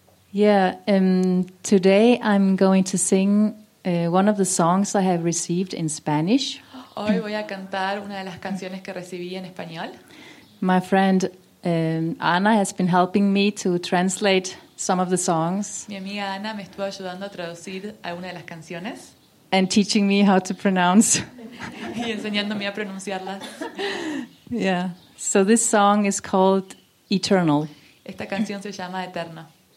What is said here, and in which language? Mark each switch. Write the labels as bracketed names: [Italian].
[English] Yeah, today I'm going to sing one of the songs I have received in Spanish. [Spanish] Hoy voy a cantar una de las canciones que recibí en español. [English] My friend Ana has been helping me to translate some of the songs. [Spanish] Mi amiga Ana me estuvo ayudando a traducir alguna de las canciones. [English] And teaching me how to pronounce. [Spanish] Y enseñándome a pronunciarlas. [English] Yeah. So this song is called Eternal. [Spanish] Esta canción se llama Eterna.